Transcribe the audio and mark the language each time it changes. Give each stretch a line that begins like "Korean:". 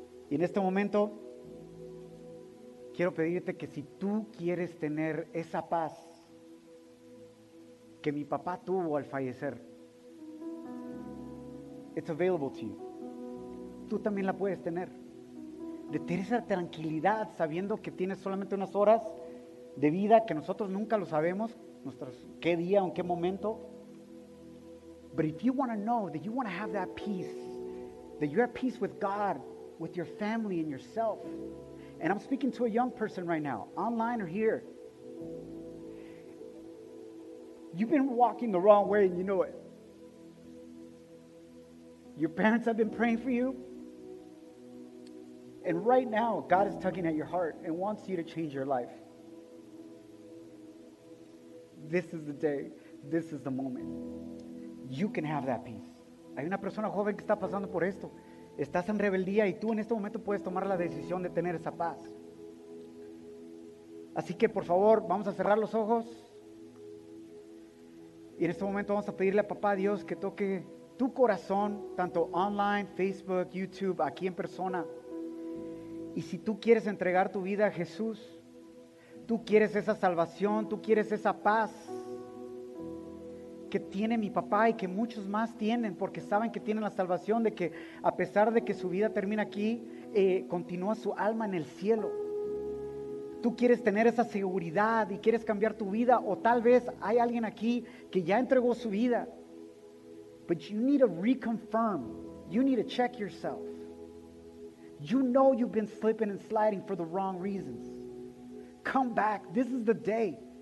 Spanish: Y en este momento quiero pedirte que si tú quieres tener esa paz que mi papá tuvo al fallecer,
English: it's available to you.
Spanish: Tú también la puedes tener. De tener esa tranquilidad sabiendo que tienes solamente unas horas de vida, que nosotros nunca lo sabemos, qué día o en qué momento.
English: But if you want to know that you want to have that peace, that you're at peace with God, with your family and yourself, and I'm speaking to a young person right now, online or here, you've been walking the wrong way and you know it. Your parents have been praying for you, and right now God is tugging at your heart and wants you to change your life. This is the day, this is the moment. You can have that peace.
Spanish: Hay una persona joven que está pasando por esto. Estás en rebeldía y tú en este momento puedes tomar la decisión de tener esa paz. Así que por favor, vamos a cerrar los ojos. Y en este momento vamos a pedirle a papá Dios que toque tu corazón, tanto online, Facebook, YouTube, aquí en persona. Y si tú quieres entregar tu vida a Jesús, tú quieres esa salvación, tú quieres esa paz que tiene mi papá y que muchos más tienen, porque saben que tienen la salvación, de que a pesar de que su vida termina aquí, continúa su alma en el cielo. Tú quieres tener esa seguridad y quieres cambiar tu vida, o tal vez hay alguien aquí que ya entregó su vida.
English: But you need to reconfirm, you need to check yourself. You know you've been slipping and sliding for the wrong reasons. Come back, this is the day.